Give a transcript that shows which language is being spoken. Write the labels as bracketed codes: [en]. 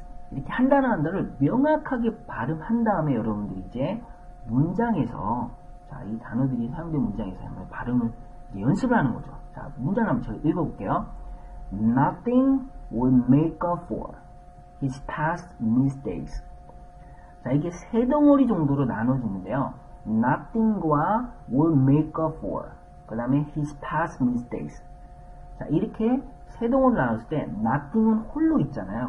[ko] 이렇게 한 단어 한 단어를 명확하게 발음한 다음에 여러분들이 이제 문장에서, 자, 이 단어들이 사용된 문장에서 한번 발음을 연습을 하는 거죠. 자, 문장 한번 제가 읽어볼게요. [en] Nothing will make up for his past mistakes. [ko] 자, 이게 세 덩어리 정도로 나눠지는데요. [en] Nothing과 will make up for, [ko] 그 다음에 [en] his past mistakes. [ko] 자, 이렇게 세 덩어리 나눴을 때 nothing은 홀로 있잖아요.